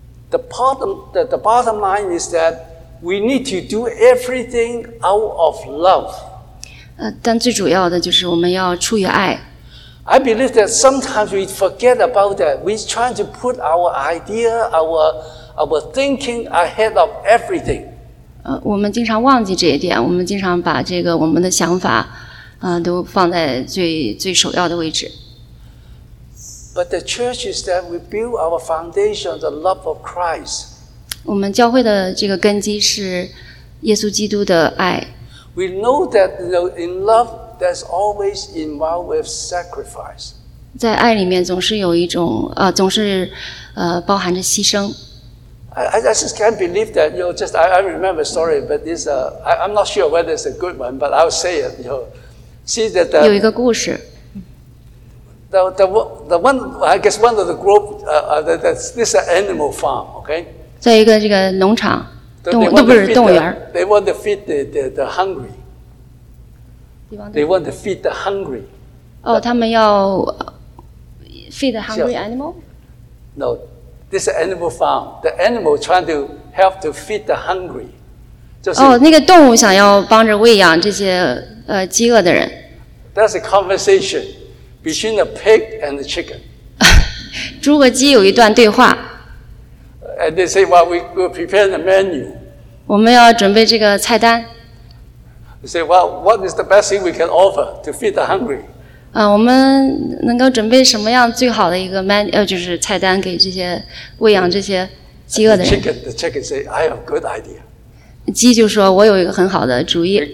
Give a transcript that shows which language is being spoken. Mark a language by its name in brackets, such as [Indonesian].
[English] The bottom line is that we need to do everything out of love. [Chinese] 但最主要的就是我们要出于爱。 [English] I believe that sometimes we forget about that. We try to put our idea, our thinking ahead of everything. [Chinese] 我们经常忘记这一点。我们经常把这个我们的想法，都放在最首要的位置。 [English] But the church is that we build our foundation on the love of Christ. [Chinese] 我们教会的这个根基是耶稣基督的爱。 [English] We know that in love, there's always involved with sacrifice. [Chinese] 在爱里面总是有一种总是包含着牺牲。 [English] I just can't believe that. You know, just I remember a story, but this I'm not sure whether it's a good one, but I'll say it. You know, see that the, [Chinese] 有一个故事。 [English] The one I guess one of the group this is an animal farm, okay? [Chinese] 在一个这个农场。那不是动物园。 [English] They want to feed the hungry. They want to feed the hungry. [Chinese] 他们要 [English] feed the hungry animal? No, this is an animal farm. The animal trying to help to feed the hungry. [Chinese] 那个动物想要帮着喂养这些饥饿的人。 [English] That's a conversation between a pig and the chicken. [Chinese] 猪和鸡有一段对话。 [English] And they say, well, we prepare the menu. [Chinese] 我们要准备这个菜单。 [English] They say, well, what is the best thing we can offer to feed the hungry? [Chinese] 我们能够准备什么样最好的一个就是菜单给这些喂养这些饥饿的人。 [English] The chicken say, I have a good idea. [Chinese] 鸡就说我有一个很好的主意。